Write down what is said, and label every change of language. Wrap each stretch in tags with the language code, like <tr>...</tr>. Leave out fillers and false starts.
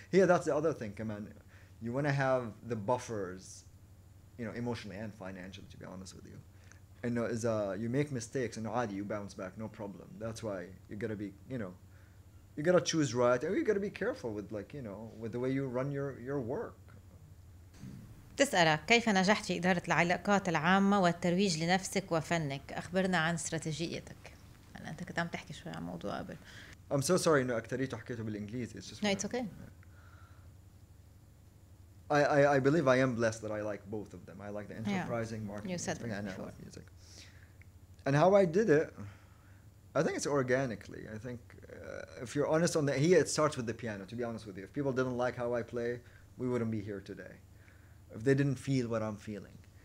<en>Yeah, that's the other thing, man. You want to have the buffers, you know, emotionally and financially, to be honest with you. And you make mistakes and</en> <ar>عادي,</ar> <en>you bounce back, no problem. That's why you gotta be, you know, you gotta choose right and you gotta be careful with, like, you know, with the way you run your work.</en> <ar>تسألك كيف نجحت في إدارة العلاقات العامة والترويج لنفسك وفنك؟ أخبرنا عن استراتيجيتك. أنا أنت كنت عم تحكي شوي عن موضوع قبل.</ar> <en>I'm so sorry</en> <ar>إنه أكتريته حكيته بالإنجليزي.</ar> <en>No, it's okay. I believe I am blessed that I like both of them. I like the enterprising marketing. You said before. Music. And how I did it, I think it's organically. I think if you're honest on that, it starts with the piano, to be honest with you. If people didn't like how I play, we wouldn't be here today. If they didn't feel what I'm feeling.</en>